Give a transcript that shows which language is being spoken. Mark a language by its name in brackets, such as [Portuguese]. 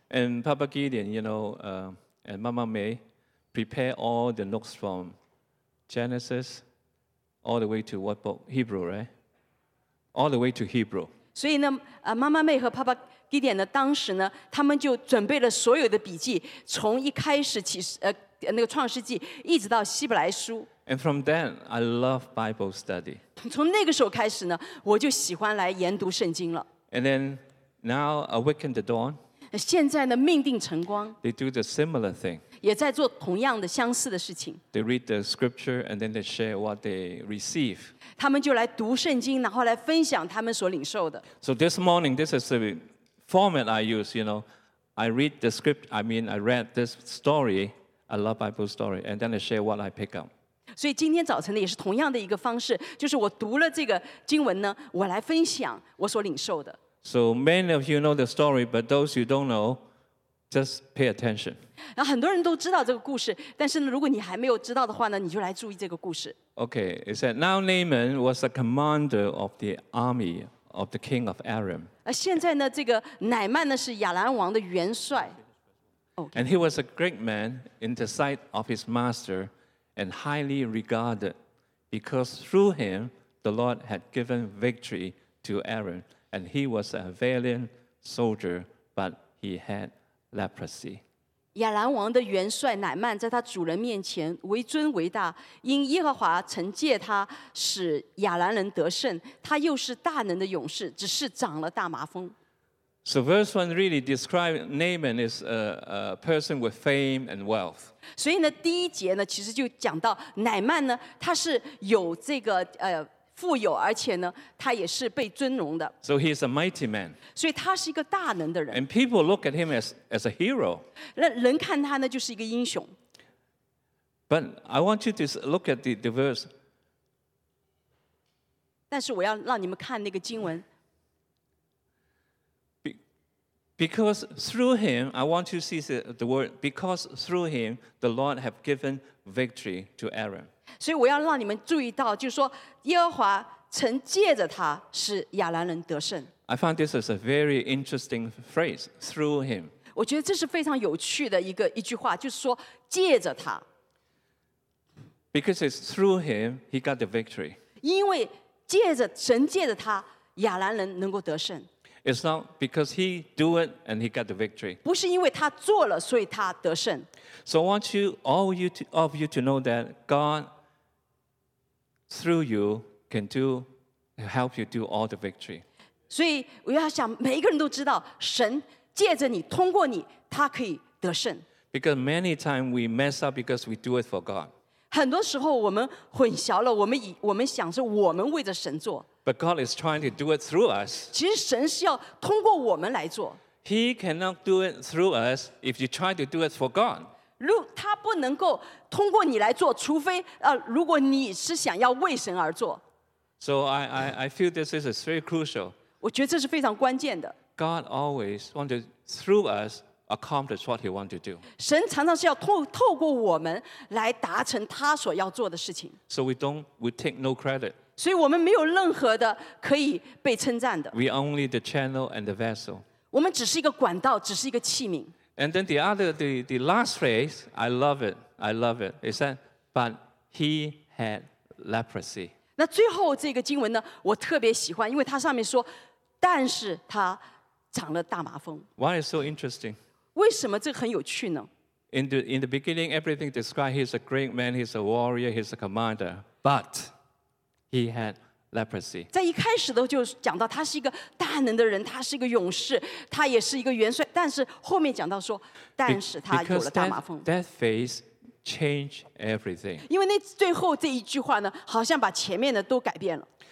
[English] And Papa Gideon, you know, and Mama May prepare all the notes from Genesis all the way to what book? Hebrew, right? All the way to Hebrew. [Chinese] 所以呢，妈妈妹和爸爸基典呢，当时呢，他们就准备了所有的笔记，从一开始起，那个创世纪，一直到希伯来书。 [English] And from then, I love Bible study. [Chinese] 从那个时候开始呢，我就喜欢来研读圣经了。 [English] And then, now awaken the dawn. [Chinese] 现在呢，命定晨光。 [English] They do the similar thing. [Chinese] 也在做同样的相似的事情。 [English] They read the scripture and then they share what they receive. [Chinese] 他们就来读圣经，然后来分享他们所领受的。 [English] So this morning, this is the format I use. You know, I read the script. I mean, I read this story. I love Bible story, and then I share what I pick up. [Chinese] 所以今天早晨呢，也是同样的一个方式，就是我读了这个经文呢，我来分享我所领受的。 [English] So many of you know the story, but those you don't know, just pay attention. [Chinese] 那很多人都知道这个故事，但是呢，如果你还没有知道的话呢，你就来注意这个故事。 [English] Okay, it said, now Naaman was a commander of the army of the king of Aram. [Chinese] 现在呢，这个乃曼呢是亚兰王的元帅。 [English] Okay. And he was a great man in the sight of his master and highly regarded because through him the Lord had given victory to Aram. And he was a valiant soldier, but he had leprosy. [Chinese] 亚兰王的元帅乃曼在他主人面前为尊为大，因耶和华曾借他使亚兰人得胜，他又是大能的勇士，只是长了大麻风。 [English] So verse 1 really describes Naaman as a person with fame and wealth. [Chinese] 所以呢，第一节呢，其实就讲到乃曼呢，他是有这个富有，而且呢，他也是被尊荣的。 [English] So he is a mighty man. [Chinese] 所以他是一个大能的人。 [English] And people look at him as a hero. [Chinese] 人看他呢，就是一个英雄。 [English] But I want you to look at the verse. [Chinese] 但是我要让你们看那个经文。 [English] Because through him, I want you to see the word, because through him, the Lord have given victory to Aram. [Chinese] 所以我要让你们注意到，就是说，耶和华曾借着他使亚兰人得胜。 [English] I found this is a very interesting phrase. Through him, [Chinese] 我觉得这是非常有趣的一句话，就是说借着他。 [English] Because it's through him he got the victory. [Chinese] 因为借着神借着他，亚兰人能够得胜。 [English] It's not because he do it and he got the victory. [Chinese] 不是因为他做了，所以他得胜。 [English] So I want all of you to know that God through you can do help you do all the victory. [Chinese] 所以我要想每一个人都知道，神借着你，通过你，他可以得胜。 [English] Because many times we mess up because we do it for God. [Chinese] 很多时候我们混淆了，我们想是我们为着神做。 [English] But God is trying to do it through us. [Chinese] 其实神是要通过我们来做。 [English] He cannot do it through us if you try to do it for God. [Chinese] 他不能够通过你来做，除非如果你是想要为神而做。 [English] So I feel this is very crucial. [Chinese] 我觉得这是非常关键的。 [English] God always wants to through us accomplish what He wants to do. [Chinese] 神常常是要透过我们来达成他所要做的事情。 [English] So we take no credit. [Chinese] 所以我们没有任何的可以被称赞的。 [English] We only the channel and the vessel. [Chinese] 我们只是一个管道，只是一个器皿。 [English] And then the last phrase, I love it, I love it. It said, but he had leprosy. [Chinese] 那最后这个经文呢，我特别喜欢，因为它上面说，但是他长了大麻风。 [English] Why is so interesting? [Chinese] 为什么这很有趣呢？ [English] In the beginning, everything described, he's a great man, he's a warrior, he's a commander, but he had leprosy. [Chinese] 在一开始的就讲到他是一个大能的人，他是一个勇士，他也是一个元帅。但是后面讲到说，但是他有了大麻风。 [English] That phase changed everything. [Chinese] 因为那最后这一句话呢，好像把前面的都改变了。